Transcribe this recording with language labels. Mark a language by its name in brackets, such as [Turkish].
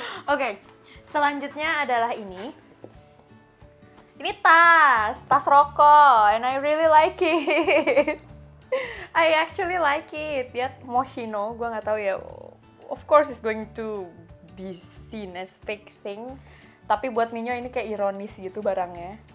[Indonesian] Oke, selanjutnya adalah ini tas rokok, [English] and I really like it. I actually like it. [Indonesian] Dia Moschino, gue nggak tahu ya. [English] Of course it's going to be seen as fake thing. [Indonesian] Tapi buat Minyo ini kayak ironis gitu barangnya.